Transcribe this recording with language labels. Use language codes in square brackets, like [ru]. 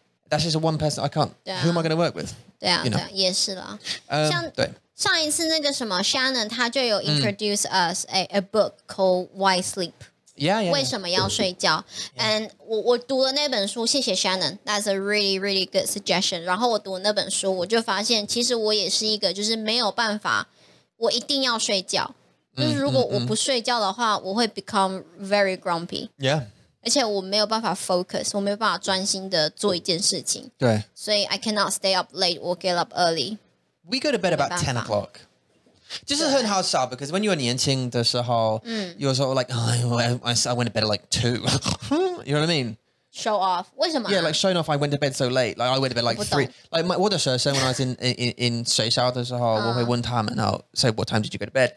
[en] That's just a one person, I can't, who am I going to work with? Yeah, you know? [zh] 像上一次那个什么, [en] Shannon, [zh] 他就有 [en] introduce us a book called Why Sleep? Yeah, yeah. [zh] 为什么要睡觉? [en] And [zh] 我读了那本书, 谢谢 [en] Shannon, that's a really, really good suggestion. [zh] 然后我读了那本书, 我就发现, 其实我也是一个就是没有办法, 我一定要睡觉。就是如果我不睡觉的话 我会 [en] become very grumpy Yeah [zh] 而且我没有办法 focus 我没有办法专心的做一件事情对所以 [en] I cannot stay up late or get up early We go to bed about 10 o'clock [zh] 就是很好笑 [en] Because when you're [zh] 年轻的时候 [en] You're sort of like I went to bed at like 2 You know what I mean? Show off [zh] 为什么啊? [en] Yeah like showing off I went to bed so late Like I went to bed like 3 Like [zh] 我的学生 [en] When I was in [zh] 学校的时候 我会问他们 [en] Now say what time did you go to bed?